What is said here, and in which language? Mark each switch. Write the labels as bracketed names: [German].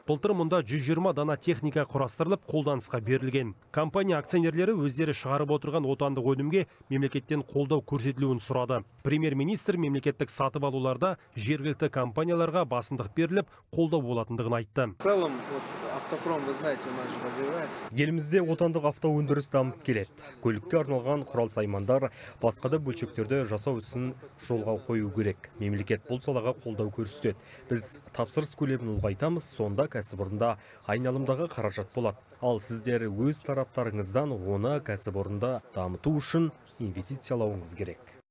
[Kazakh] Былтыр мұнда 120 дана техника құрастырылып, қолданысқа берілген. Компания акционерлері өздері шығарып отырған отандық өнімге мемлекеттен қолдау көрсетілуін сұрады. Премьер-министр мемлекеттік сатып алуларда жергілікті компанияларға басымдық беріліп, қолдау болатындығын айтты. [Russian] Автопром, вы знаете, у нас же развивается. [Kazakh] Елімізде отандық авто өндіріс дамып келеді. Көлікке арналған құрал саймандар басқа да бөлшектерді жасау үшін жолға қою керек. Мемлекет бұл салаға қолдау көрсетеді. Біз тапсырыс көлемін ұлғайтамыз, сонда кәсіпорында айналымдағы қаражат болады. Ал сіздер өз тараптарыңыздан оны кәсіпорында дамыту үшін инвестициялауыңыз керек.